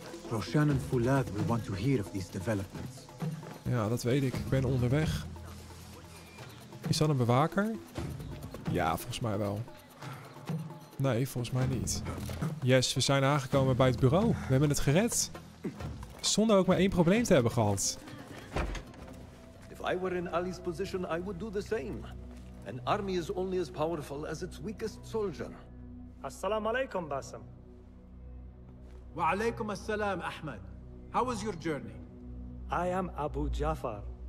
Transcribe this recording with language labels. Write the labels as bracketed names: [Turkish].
[English] Roshan en Fulad will want to hear of these developments. [Dutch] Ja, dat weet ik. Ik ben onderweg. Is dat een bewaker? Ja, volgens mij wel. Nee, volgens mij niet. Yes, we zijn aangekomen bij het bureau. We hebben het gered. Zonder ook maar één probleem te hebben gehad. [English] If I were in Ali's position, I would do the same. An army is only as powerful as its weakest soldier. Assalamu alaikum, Basim. Wa alaikum assalam, Ahmed. How was your journey? I am Abu Jafar.